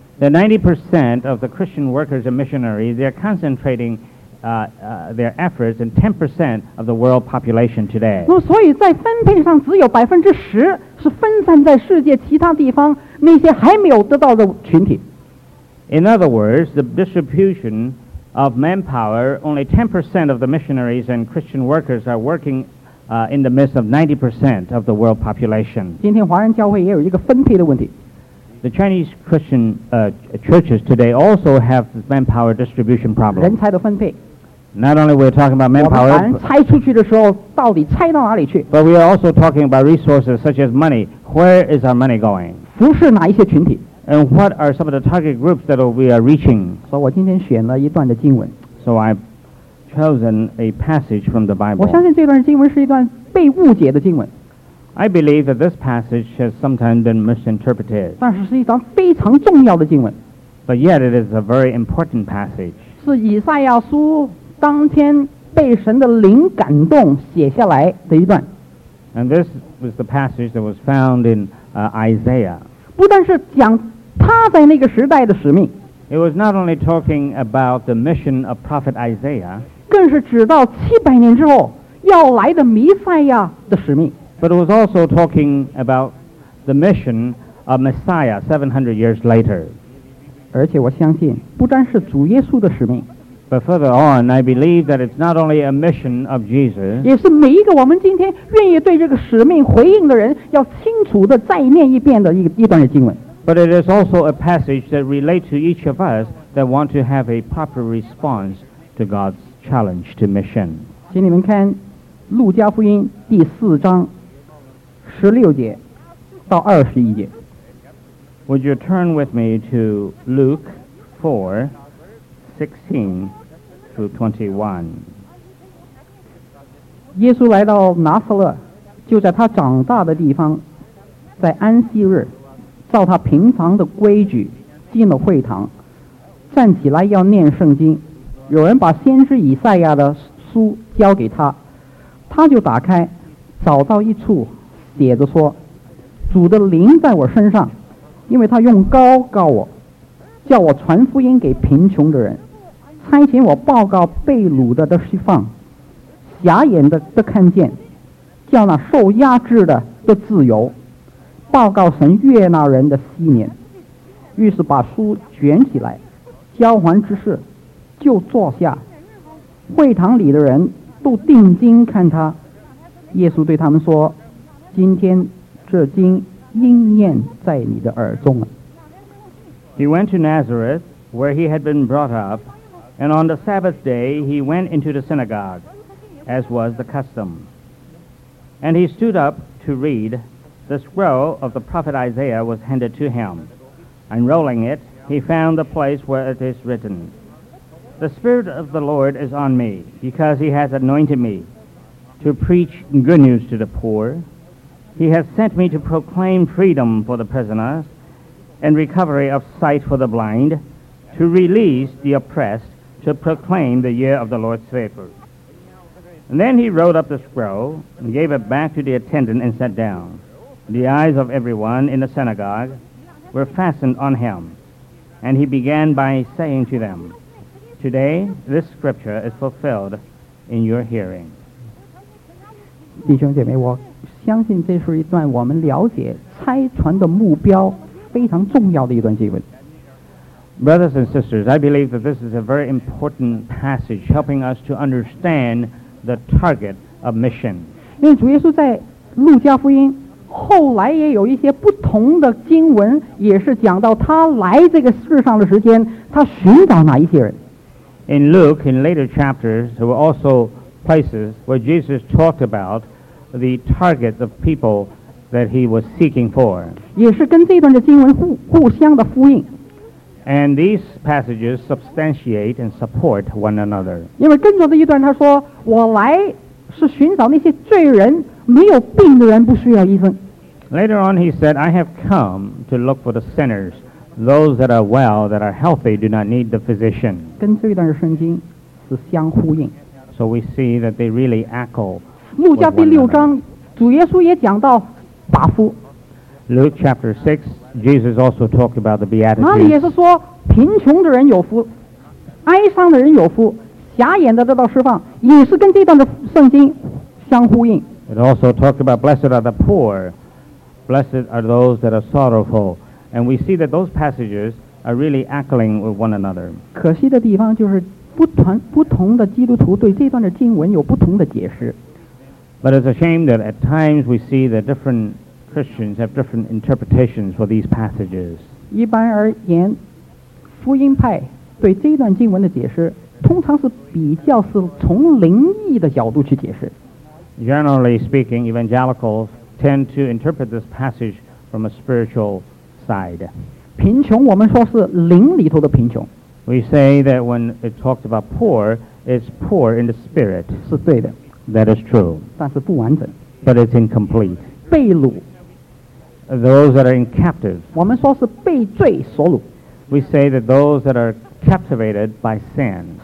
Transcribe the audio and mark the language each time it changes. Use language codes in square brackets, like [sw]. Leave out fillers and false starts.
[en] The 90% of the Christian workers and missionaries, they're concentrating their efforts in 10% of the world population today. [zh] 所以在分配上只有10%是分散在世界其他地方那些还没有得到的群体。 [en] In other words, the distribution of manpower, only 10% of the missionaries and Christian workers are working in the midst of 90% of the world population. [zh] 今天华人教会也有一个分配的问题。 [en] The Chinese Christian churches today also have manpower distribution problem. [zh] 人才的分配。 [en] Not only we're talking about manpower, [zh] 我们把人拆出去的时候，到底拆到哪里去？ [en] But we are also talking about resources such as money. Where is our money going? [zh] 服侍哪一些群体？ [en] And what are some of the target groups that we are reaching? [zh] 所以我今天选了一段的经文。 [en] So I've chosen a passage from the Bible. [zh] 我相信这段经文是一段被误解的经文。 [en] I believe that this passage has sometimes been misinterpreted. [zh] 但是是一段非常重要的经文。 [en] But yet it is a very important passage. [zh] 是以赛亚书当天被神的灵感动写下来的一段。 [en] And this was the passage that was found in Isaiah. [zh] 不但是讲他在那个时代的使命。 [en] It was not only talking about the mission of Prophet Isaiah. [zh] 更是指到700年之后要来的弥赛亚的使命。 [en] But it was also talking about the mission of Messiah 700 years later. [zh] 而且我相信不单是主耶稣的使命。 [en] But further on, I believe that it's not only a mission of Jesus. [zh] 也是每一个我们今天愿意对这个使命回应的人要清楚地再念一遍的一段的经文。 [en] But it is also a passage that relates to each of us that want to have a proper response to God's challenge to mission. [zh] 请你们看路加福音第四章。 16节到21节 [en] Would you turn with me to Luke 4:16-21 [zh] 耶稣来到拿撒勒就在他长大的地方在安息日照他平常的规矩进了会堂站起来要念圣经有人把先知以赛亚的书交给他他就打开找到一处写着说主的灵在我身上因为他用膏膏我叫我传福音给贫穷的人，差遣我报告被掳的的释放，瞎眼的的看见，叫那受压制的的自由，报告神悦纳人的喜年。于是把书卷起来，交还执事，就坐下。会堂里的人都定睛看他。耶稣对他们说：“今天这经应验在你的耳中了。” [en] He went to Nazareth, where he had been brought up, and on the Sabbath day he went into the synagogue, as was the custom. And he stood up to read. The scroll of the prophet Isaiah was handed to him. Unrolling it, he found the place where it is written, "The Spirit of the Lord is on me, because he has anointed me to preach good news to the poor. He has sent me to proclaim freedom for the prisoners and recovery of sight for the blind, to release the oppressed, to proclaim the year of the Lord's favor." And then he rolled up the scroll and gave it back to the attendant and sat down. The eyes of everyone in the synagogue were fastened on him, and he began by saying to them, "Today this scripture is fulfilled in your hearing." [zh] 弟兄姐妹，我相信这是一段我们了解差传的目标非常重要的一段经文。 [en] Brothers and sisters, I believe that this is a very important passage helping us to understand the target of mission. [zh] 因为主耶稣在路加福音后来也有一些不同的经文，也是讲到他来这个世上的时间，他寻找哪一些人。 [en] In Luke, in later chapters, there were also places where Jesus talked about the target of people that he was seeking for. [zh] 也是跟这段的经文互相的呼应。 [en] And these passages substantiate and support one another. [zh] 因为跟着的一段，他说：“我来是寻找那些罪人。” 没有病的人不需要医生。 [en] Later on, he said, "I have come to look for the sinners, those that are well, that are healthy, do not need the physician." [zh] 跟这段圣经是相呼应。 [en] So we see that they really echo. [zh] 路加第六章，主耶稣也讲到寡妇。 [en] Luke chapter 6, Jesus also talked about the Beatitudes. [zh] 那里也是说贫穷的人有福，哀伤的人有福，瞎眼的得到释放，也是跟这段的圣经相呼应。 [en] It also talked about blessed are the poor, blessed are those that are sorrowful, and we see that those passages are really echoing with one another. [zh] 可惜的地方就是不同的基督徒对这段的经文有不同的解释。 [en] But it's a shame that at times we see that different Christians have different interpretations for these passages. [zh] 一般而言，福音派对这段经文的解释通常是比较是从灵异的角度去解释。 [en] Generally speaking, evangelicals tend to interpret this passage from a spiritual side. [zh] 贫穷，我们说是灵里头的贫穷。 [en] We say that when it talks about poor, it's poor in the spirit. [zh] 是对的。 [en] That is true. [zh] 但是不完整。 [en] But it's incomplete. [zh] 被掳。 [en] Those that are in captive. [zh] 我们说是被罪所掳。 [en] We say that those that are captivated by sin.